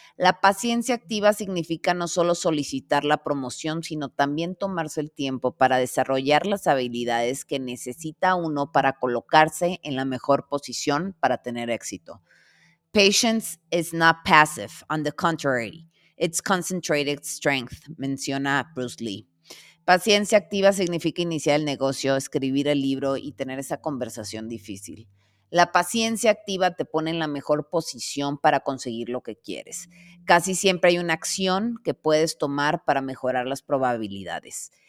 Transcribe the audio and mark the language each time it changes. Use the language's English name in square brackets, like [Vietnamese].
[Spanish] La paciencia activa significa no solo solicitar la promoción, sino también tomarse el tiempo para desarrollar las habilidades que necesita uno para colocarse en la mejor posición para tener éxito. [English] Patience is not passive, on the contrary. It's concentrated strength, [Spanish] menciona [English] Bruce Lee. [Spanish] Paciencia activa significa iniciar el negocio, escribir el libro y tener esa conversación difícil. La paciencia activa te pone en la mejor posición para conseguir lo que quieres. Casi siempre hay una acción que puedes tomar para mejorar las probabilidades.